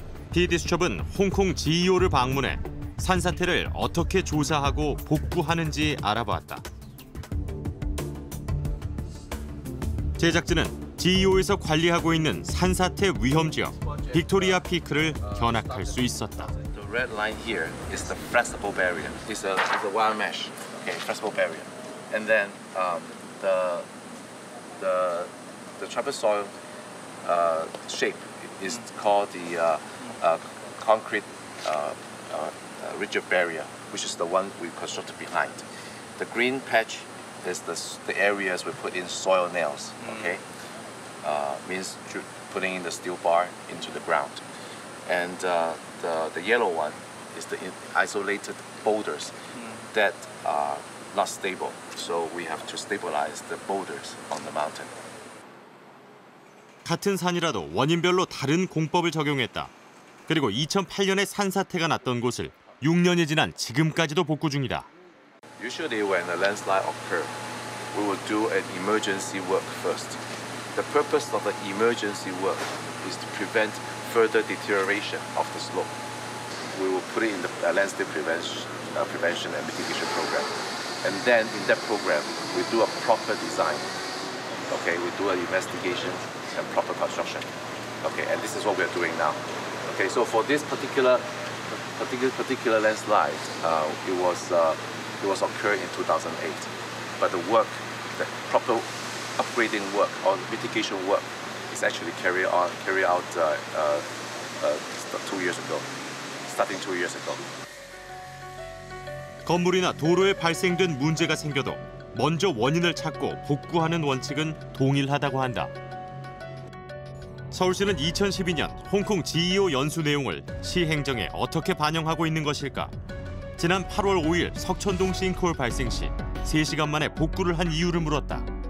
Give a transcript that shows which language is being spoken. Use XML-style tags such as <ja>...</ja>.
<ko>PD수첩은 홍콩 CEO를 방문해 산사태를 어떻게 조사하고 복구하는지 알아봤다. 제작진은 CEO에서 관리하고 있는 산사태 위험 지역 빅토리아 피크를 견학할 수 있었다.</ko> <en>The red line here is the flexible barrier. It's a wire mesh. Okay, flexible barrier. And then the trapezoid shape is called the concrete rigid barrier, which is the one we constructed behind. The green patch is the areas we put in soil nails, okay? Means putting in the steel bar into the ground. And the yellow one is the isolated boulders that are not stable. So we have to stabilize the boulders on the mountain.</en> <ko>같은 산이라도 원인별로 다른 공법을 적용했다. 그리고 2008년에 산사태가 났던 곳을 6년이 지난 지금까지도 복구 중이다.</ko> <en>Usually when a landslide occurs, we will do an emergency work first. The purpose of the emergency work is to prevent further deterioration of the slope. We will put it in the landslide prevention and mitigation program. And then in that program, we do a proper design. Okay, we do an investigation and proper construction. Okay, and this is what we are doing now. Okay, so for this particular landslide, it was occurred in 2008, but the work, the proper upgrading work or mitigation work, is actually carried out starting two years ago.</en> <ko>건물이나 도로에 발생된 문제가 생겨도 먼저 원인을 찾고 복구하는 원칙은 동일하다고 한다. 서울시는 2012년 홍콩 CEO 연수 내용을 시행정에 어떻게 반영하고 있는 것일까? 지난 8월 5일 석천동 싱크홀 발생 시 3시간 만에 복구를 한 이유를 물었다.</ko>